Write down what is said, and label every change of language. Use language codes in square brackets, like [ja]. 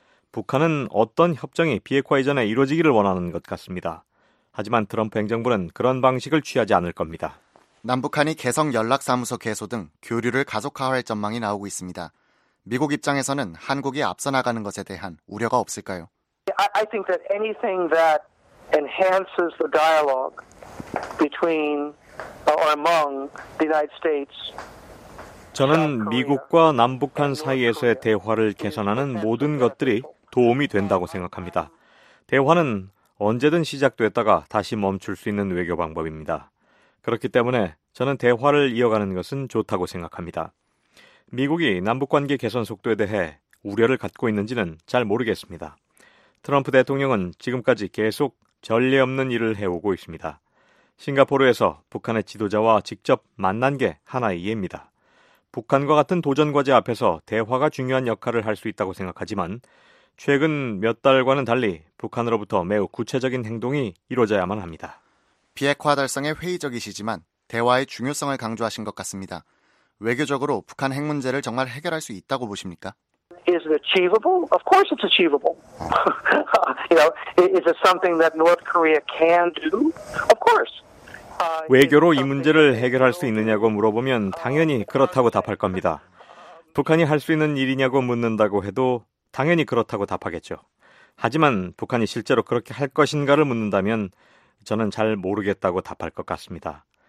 [ko] 북한은 어떤 협정이 비핵화 이전에 이루어지기를 원하는 것 같습니다. 하지만 트럼프 행정부는 그런 방식을 취하지 않을 겁니다. 남북한이 개성 연락사무소 개소 등 교류를 가속화할 전망이 나오고 있습니다. 미국 입장에서는 한국이 앞서 나가는 것에 대한 우려가 없을까요? [en] I think that anything that enhances the dialogue between or among the United States [ko] 저는 미국과 남북한 사이에서의 대화를 개선하는 모든 것들이 도움이 된다고 생각합니다. 대화는 언제든 시작됐다가 다시 멈출 수 있는 외교 방법입니다. 그렇기 때문에 저는 대화를 이어가는 것은 좋다고 생각합니다. 미국이 남북관계 개선 속도에 대해 우려를 갖고 있는지는 잘 모르겠습니다. 트럼프 대통령은 지금까지 계속 전례 없는 일을 해오고 있습니다. 싱가포르에서 북한의 지도자와 직접 만난 게 하나의 예입니다. 북한과 같은 도전과제 앞에서 대화가 중요한 역할을 할 수 있다고 생각하지만 최근 몇 달과는 달리 북한으로부터 매우 구체적인 행동이 이루어져야만 합니다. 비핵화 달성에 회의적이시지만 대화의 중요성을 강조하신 것 같습니다. 외교적으로 북한 핵 문제를 정말 해결할 수 있다고 보십니까? [en] Is it achievable? Of course it's achievable. You know, is it something that North Korea can do? Of course. [ko] 외교로 이 문제를 해결할 수 있느냐고 물어보면 당연히 그렇다고 답할 겁니다. 북한이 할 수 있는 일이냐고 묻는다고 해도 당연히 그렇다고 답하겠죠. 하지만 북한이 실제로 그렇게 할 것인가를 묻는다면 저는 잘 모르겠다고 답할 것 같습니다.